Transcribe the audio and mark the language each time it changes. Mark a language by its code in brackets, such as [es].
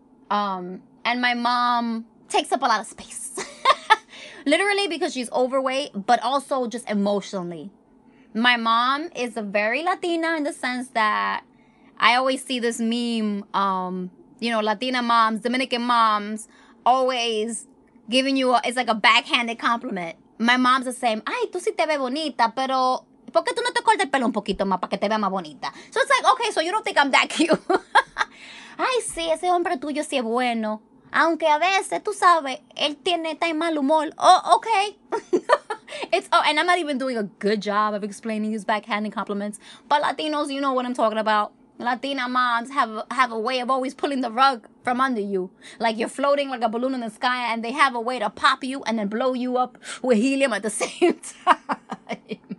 [en] And my mom takes up a lot of space. Literally because she's overweight, but also just emotionally. My mom is a very Latina in the sense that I always see this meme, Latina moms, Dominican moms, always giving you it's like a backhanded compliment. My mom's the same. [es] Ay, tú sí te ves bonita, pero ¿por qué tú no te cortas el pelo un poquito más para que te veas más bonita? [en] So it's like, okay, so you don't think I'm that cute. [es] Ay, sí, ese hombre tuyo sí es bueno. Aunque a veces, tú sabes, él tiene tan mal humor. [en] Oh, okay. And I'm not even doing a good job of explaining these backhanded compliments. But Latinos, you know what I'm talking about. Latina moms have a way of always pulling the rug from under you. Like you're floating like a balloon in the sky and they have a way to pop you and then blow you up with helium at the same time.